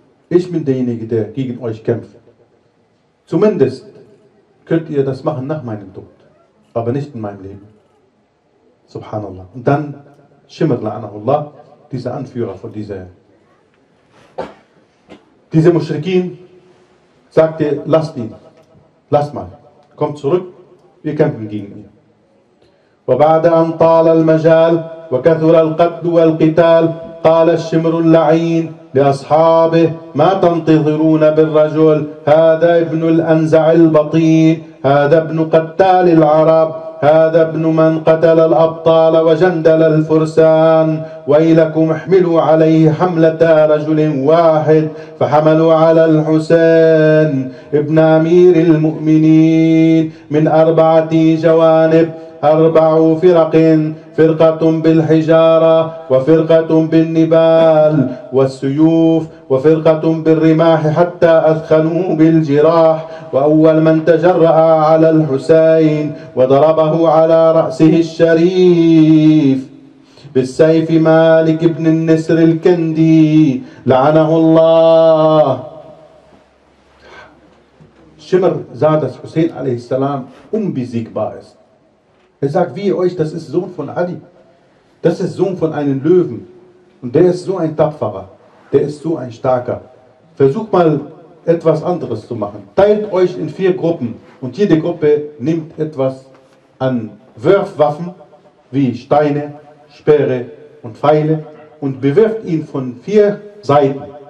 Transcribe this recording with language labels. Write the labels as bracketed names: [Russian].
[German] Ich bin derjenige, der gegen euch kämpft. Zumindest könnt ihr das machen nach meinem Tod, aber nicht in meinem Leben. [Arabic] Subhanallah. [German] Und dann Shimr [Arabic] la'anahu Allah, [German] dieser Anführer von dieser Mushrikin, sagte: Lasst ihn, lasst mal, kommt zurück, wir kämpfen gegen ihn. [Arabic] وبعد أن طال المجال وكثر القتل والقتال، قال الشمر اللعين لأصحابه: ما تنتظرون بالرجل؟ هذا ابن الأنزع البطين، هذا ابن قتال العرب، هذا ابن من قتل الأبطال وجندل الفرسان، ويلكم احملوا عليه حملة رجل واحد. فحملوا على الحسين ابن أمير المؤمنين من أربعة جوانب أربع فرق: فرقة بالحجارة، وفرقة بالنبال والسيوف، وفرقة بالرماح حتى أثخنوا بالجراح. وأول من تجرأ على الحسين وضربه على رأسه الشريف بالسيف مالك بن النسر الكندي لعنه الله. [German] شمر زاد الحسين [Arabic] عليه السلام [German] unbesiegbar ist. Er sagt: Wie euch, das ist Sohn von Ali. Das ist Sohn von einem Löwen. Und der ist so ein Tapferer. Der ist so ein Starker. Versucht mal, etwas anderes zu machen. Teilt euch in vier Gruppen. Und jede Gruppe nimmt etwas an Wurfwaffen, wie Steine, Speere und Pfeile, und bewirft ihn von vier Seiten.